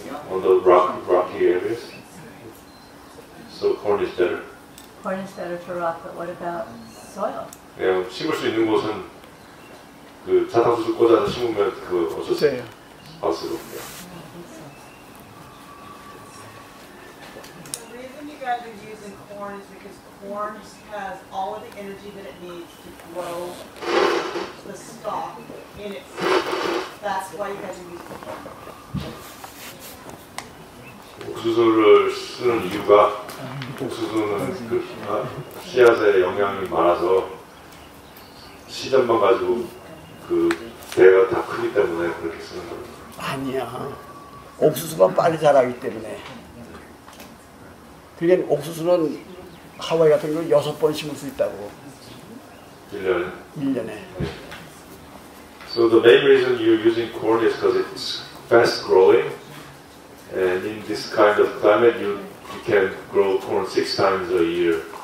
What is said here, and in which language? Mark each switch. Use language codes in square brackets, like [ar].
[en] On the rocky areas, so corn is better. Corn is better for rock, but what about soil? [ko] Yeah, 심을 수 있는 곳은 그 사탕수수 꽂아서 심으면 그 어쩔 수 없어요. 맞습니다. [en] The reason you guys are using corn is because corn has all of the energy that it needs to grow the stalk in its seed. That's why you guys are using corn. [ko] 옥수수를 쓰는 이유가 옥수수는 그 씨앗에 영향이 많아서 시점만 가지고 그 대가 다 크기 때문에 그렇게 쓰는 거예요. 아니야. 옥수수가 빨리 자라기 때문에. 그게 옥수수는 하와이 같은 경우 6번 심을 수 있다고. 1년에. 1년에. [en] So the main reason you're using corn is because it's fast growing. And in this kind of climate, you can grow corn 6 times a year.